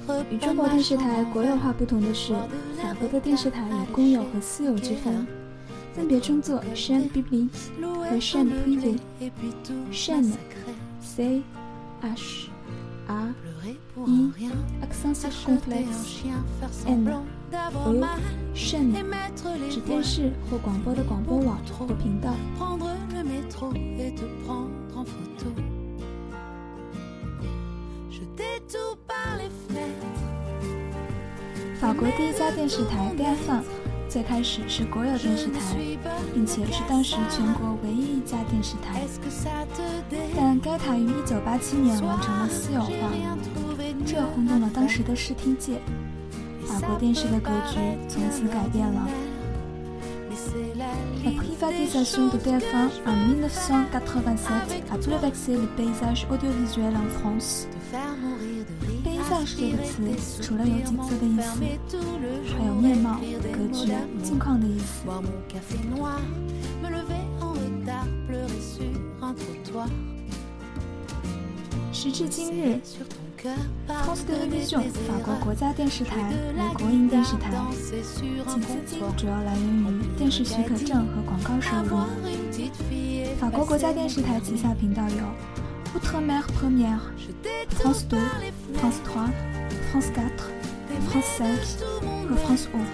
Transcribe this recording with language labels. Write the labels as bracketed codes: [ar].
[zh] 与中国电视台国有化不同的是，法国的电视台有公有和私有之分，分别称作 Chaîne Publique 和 Chaîne Privée。 Chaîne C H A I [fr] accent circonflexe [zh] N O chaîne 指电视或广播的广播网或频道。 [fr] Prendre le métro et te prendre en photo. Je t'ai tout par les fenêtres. [zh] 法国第一家电视台 TF1 最开始是国有电视台，并且是当时全国唯一一家电视台。但该台于1987年完成了私有化，这轰动了当时的视听界，法国电视的格局从此改变了。 [fr] La privatisation de TF1 en 1987 a bouleversé le paysage audiovisuel en France. [zh] Paysage 这个词除了有景色的意思，还有面貌、格局、境况的意思。时至今日，France Télévision 法国国家电视台为国营电视台，其资金主要来源于电视许可证和广告收入。法国国家电视台旗下频道有 Outre-mer Première, France 2, France 3, France 4, France 5和 France 5。